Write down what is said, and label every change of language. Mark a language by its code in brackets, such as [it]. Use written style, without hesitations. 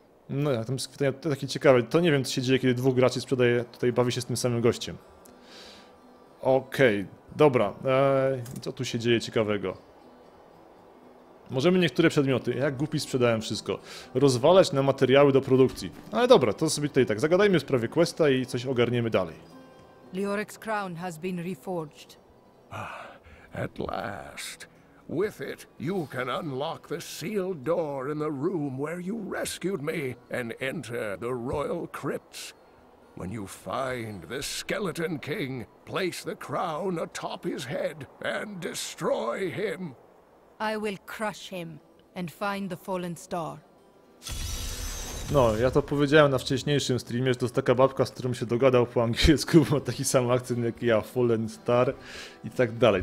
[pl] No, ja tam jest pytanie, to takie ciekawe. To nie wiem, co się dzieje, kiedy dwóch graczy sprzedaje, tutaj bawi się z tym samym gościem. Okej, okay, dobra. Co tu się dzieje ciekawego? Możemy niektóre przedmioty, jak głupi sprzedałem wszystko, rozwalać na materiały do produkcji. Ale dobra, to sobie tutaj tak, zagadajmy w sprawie questa i coś ogarniemy dalej. [en] Leoric's crown has been reforged. At last. With it, you can unlock the sealed door in the room where you rescued me and enter the royal crypts. When you find the skeleton king, place the crown atop his head and destroy him. I will crush him and find the fallen star. [pl] No, ja to powiedziałem na wcześniejszym streamie, że to jest taka babka, z którą się dogadał po angielsku, bo ma taki sam akcent jak ja, Fallen Star i tak dalej.